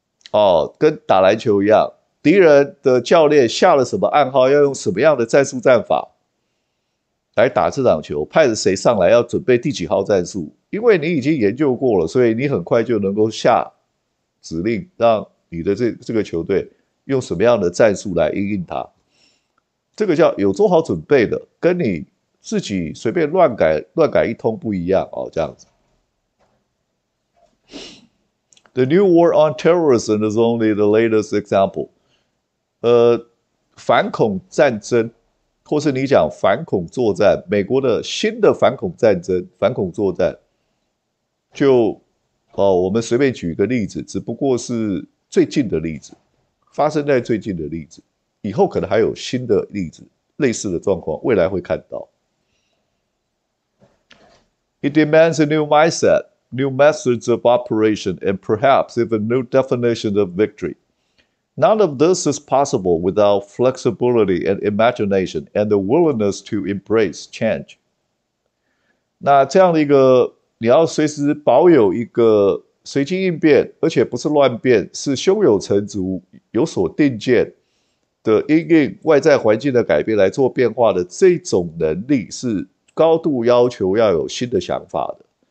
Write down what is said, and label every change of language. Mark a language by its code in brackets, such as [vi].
[zh] 哦，跟打篮球一样，敌人的教练下了什么暗号，要用什么样的战术战法来打这场球，派着谁上来，要准备第几号战术，因为你已经研究过了，所以你很快就能够下指令，让你的这个球队用什么样的战术来因应它。这个叫有做好准备的，跟你自己随便乱改一通不一样哦，这样子。 [en] The new war on terrorism is only the latest example. [zh] 反恐战争，或是你讲反恐作战，美国的新的反恐战争、反恐作战，就哦，我们随便举一个例子，只不过是最近的例子，发生在最近的例子，以后可能还有新的例子，类似的状况，未来会看到。 [en] It demands a new mindset. New methods of operation and perhaps even new definitions of victory. None of this is possible without flexibility and imagination and the willingness to embrace change. [zh] 那这样的一个，你要随时保有一个随机应变，而且不是乱变，是胸有成竹、有所定见的因应外在环境的改变来做变化的这种能力，是高度要求要有新的想法的。